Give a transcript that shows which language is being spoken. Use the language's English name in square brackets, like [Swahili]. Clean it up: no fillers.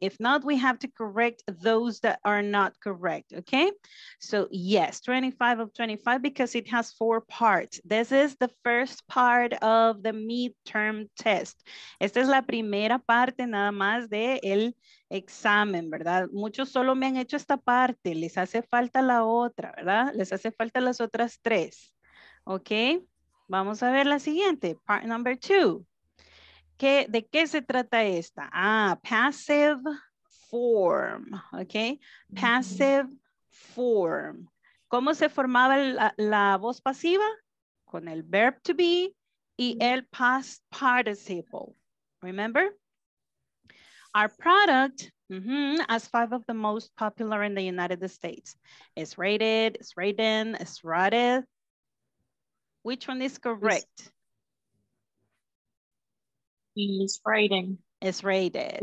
[English] If not, we have to correct those that are not correct, okay? So yes, 25 of 25 because it has four parts. This is the first part of the midterm test. [Spanish] Esta es la primera parte nada más de el examen, ¿verdad? Muchos solo me han hecho esta parte. Les hace falta la otra, ¿verdad? Les hace falta las otras tres, okay? Vamos a ver la siguiente, [English] part number two. [Spanish] ¿Qué, de qué se trata esta? Ah, passive form, ¿ok? Passive form. ¿Cómo se formaba la voz pasiva? Con el verb to be y el past participle, [English] ¿remember? Our product has five of the most popular in the United States. It's rated, it's written, it's rated. Which one is correct? It's rated. It's rated.